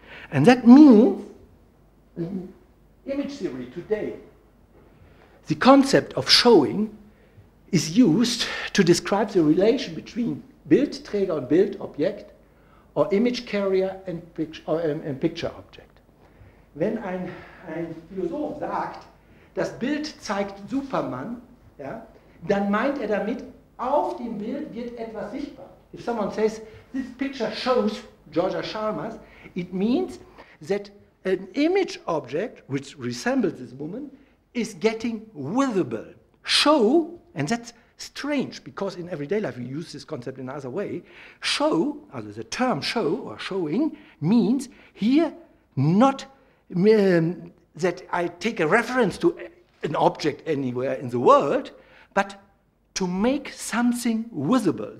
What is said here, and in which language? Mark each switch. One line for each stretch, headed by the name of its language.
English: And that means, in image theory today, the concept of showing is used to describe the relation between Bildträger and Bildobjekt, or image carrier and picture object.
German: Wenn ein Philosoph sagt, das Bild zeigt Superman, ja, dann meint er damit, auf dem Bild wird etwas sichtbar.
English: If someone says, this picture shows Georgia Chalmers, it means that an image object, which resembles this woman, is getting visible. Show, and that's strange, because in everyday life we use this concept in another way, show, or the term show, or showing, means here not that I take a reference to an object anywhere in the world, but to make something visible.